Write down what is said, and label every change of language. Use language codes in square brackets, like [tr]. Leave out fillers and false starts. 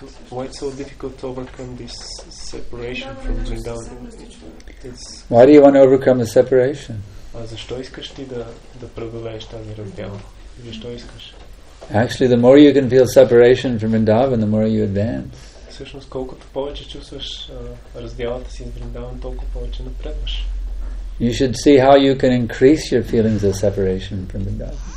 [en] Why it's so difficult to overcome this separation from Vrindavan? Why do you want to overcome the separation? [bg] А защо искаш ти да преодолееш тази раздел? Защо искаш? [en] Actually, the more you can feel separation from Vrindavan, the more you advance. [bg] Всъщност, колкото повече чувстваш разделата си с Vrindavan, толкова повече напредваш. [en] You should see how you can increase your feelings of separation from the God.